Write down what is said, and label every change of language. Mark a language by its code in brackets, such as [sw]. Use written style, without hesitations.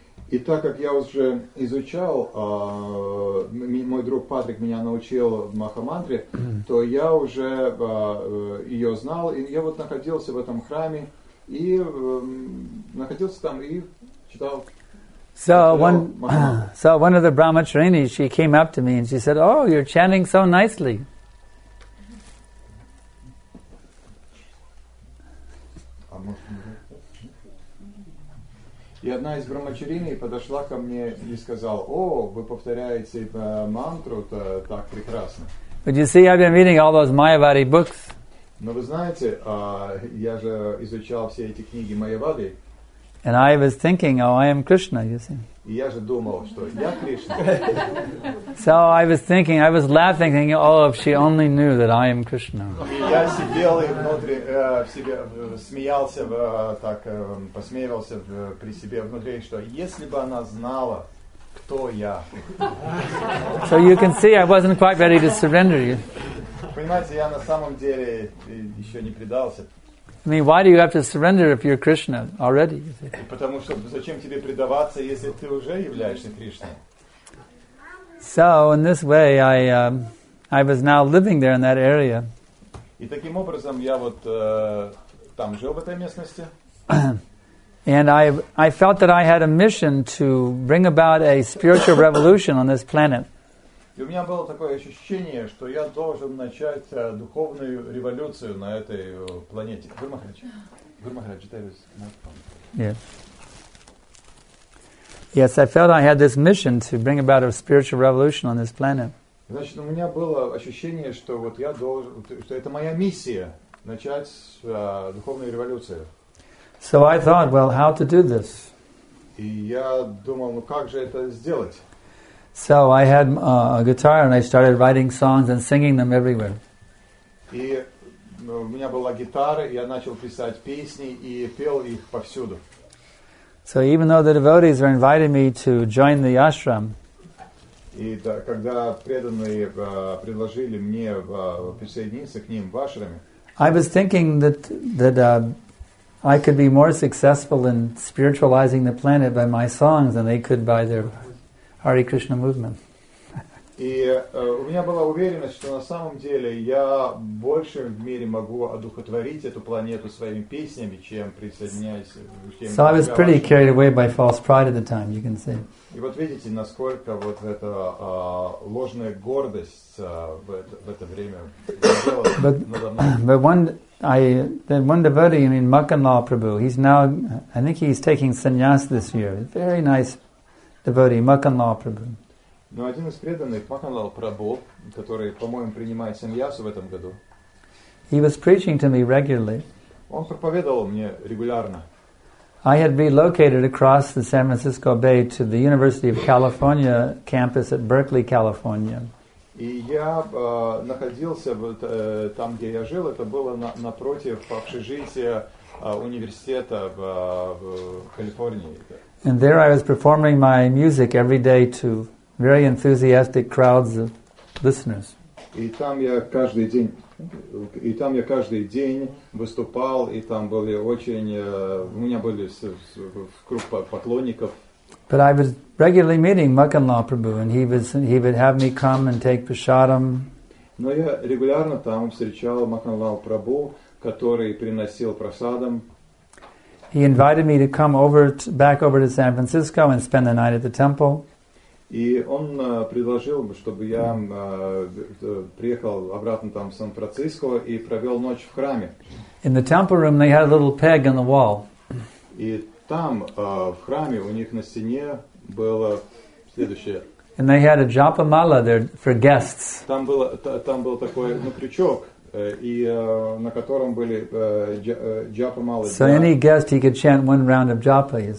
[ru] И так как я уже изучал, мой друг Патрик меня научил Махамантре, то я уже ее знал, и я вот находился в этом храме, и находился там и читал. [en] So one of the Brahmacharinis, she came up to me and she said, "Oh, you're chanting so nicely." [ru] И одна из Брахмачарини подошла ко мне и сказала: "О, вы повторяете мантру так прекрасно." [en] But you see, I've been reading all those Mayavadi books. [ru] Но вы знаете, я же изучал все эти книги Майявады. [en] And I was thinking, oh, I am Krishna, you see. [ru] И я же думал, что я Кришна. [en] So I was thinking, I was laughing, thinking, oh, if she only knew that I am Krishna. [ru] И я сидел и внутри себе смеялся, так посмеивался при себе внутри, что если бы она знала, кто я. [en] So you can see, I wasn't quite ready to surrender you. [ru] Понимаете, я на самом деле еще не предался. [en] I mean, why do you have to surrender if you're Krishna already? [ru] Потому что зачем тебе предаваться, если ты уже являешься Кришной? [en] So in this way, I was now living there in that area. [ru] И таким образом я вот там жил в этой местности. [en] And I felt that I had a mission to bring about a spiritual revolution on this planet. [ru] И у меня было такое ощущение, что я должен начать духовную революцию на этой планете. [en] Гурмахарадж, that is not fun. Yes, I felt I had this mission to bring about a spiritual revolution on this planet. [ru] Значит, у меня было ощущение, что вот я должен, что это моя миссия начать духовную революцию. [en] So I thought, well, how to do this? [ru] И я думал, ну как же это сделать? [en] So I had a guitar and I started writing songs and singing them everywhere. [ru] И у меня была гитара, я начал писать песни и пел их повсюду. [en] So even though the devotees were inviting me to join the ashram. [ru] И когда преданные предложили мне присоединиться к ним в ашраме. [en] I was thinking that I could be more successful in spiritualizing the planet by my songs than they could by their Hare Krishna movement. [ru] И у меня была уверенность, что на самом деле я больше в мире могу одухотворить эту планету своими песнями, чем присоединяясь. [en] So I was pretty carried away by false pride at the time, you can see. [ru] И вот видите, насколько вот эта ложная гордость в это время. [en] But one devotee, I mean Makanlal Prabhu, he's now, I think he's taking sannyas this year. Very nice. Devotee Makanlal Prabhu. [ru] Но один из преданных Makanlal Prabhu, который, по-моему, принимает саньясу в этом году. [en] He was preaching to me regularly. [ru] Он проповедовал мне регулярно. [en] I had relocated across the San Francisco Bay to the University of California campus at Berkeley, California. [ru] И я находился вот там, где я жил, это было напротив общежития университета в Калифорнии. [en] And there I was performing my music every day to very enthusiastic crowds of listeners. [ru] И там я каждый день выступал, и там были очень, у меня были круг поклонников. [en] But I was regularly meeting Makanlal Prabhu, and he would have me come and take prasadam. [ru] Но я регулярно там встречал Makanlal Prabhu, который приносил прасадам. [en] He invited me to come over to, back over to San Francisco and spend the night at the temple. [ru] И он предложил, чтобы я приехал обратно там в Сан-Франциско и провел ночь в храме. [en] In the temple room they had a little peg on the wall. [ru] И там в храме у них на стене было следующее. [en] And they had a japa mala there for guests. [ru] Там было там был такой ну, крючок, и на котором были джапа мала. [en] So any guest he could chant one round of japa.